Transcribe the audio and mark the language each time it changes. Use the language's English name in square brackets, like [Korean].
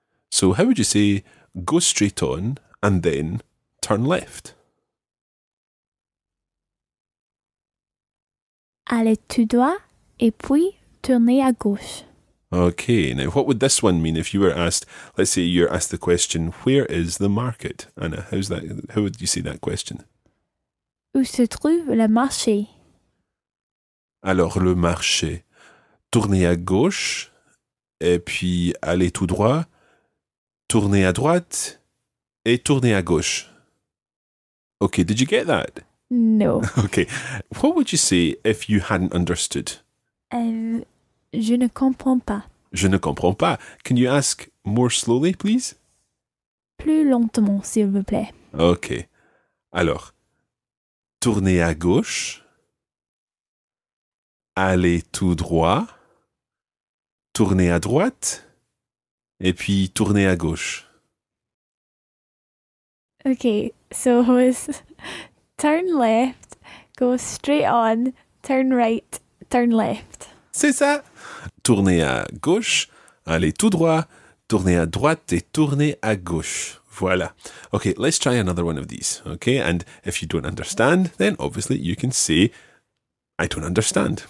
[English] So how would you say go straight on and then turn left? [French] Allez tout droit et puis tournez à gauche. [English] Okay, now what would this one mean if you were asked, let's say you're asked the question, where is the market? Anna, how's that? How would you say that question? [French] Où se trouve le marché? Alors le marché. Tournez à gauche, et puis allez tout droit, tournez à droite, et tournez à gauche. [English] Okay, did you get that? No. Okay, what would you say if you hadn't understood? [French] Je ne comprends pas. Je ne comprends pas. [English] Can you ask more slowly, please? [French] Plus lentement, s'il vous plaît. [English] Ok. [French] Alors, tournez à gauche, allez tout droit, tournez à droite, et puis tournez à gauche. [English] Ok, so it was turn left, go straight on, turn right, turn left. [French] C'est ça! Tournez à gauche, allez tout droit, tournez à droite et tournez à gauche. [English] Voilà. Okay, let's try another one of these. Okay, and if you don't understand, then obviously you can say, I don't understand.